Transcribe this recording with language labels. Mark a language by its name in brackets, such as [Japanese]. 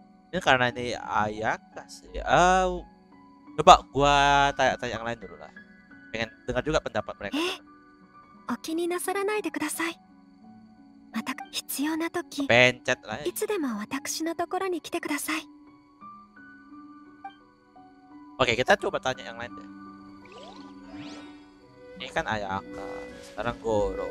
[Indonesian] Ini karena ini Ayaka sih. Coba gua tanya-tanya yang lain dulu lah. Pengen dengar juga pendapat mereka. [Japanese] お気になさらないでください。また必要な時、いつでも私のところに来てください。 [Indonesian] Oke, kita coba tanya yang lain deh. Ini kan Ayaka, sekarang Goro.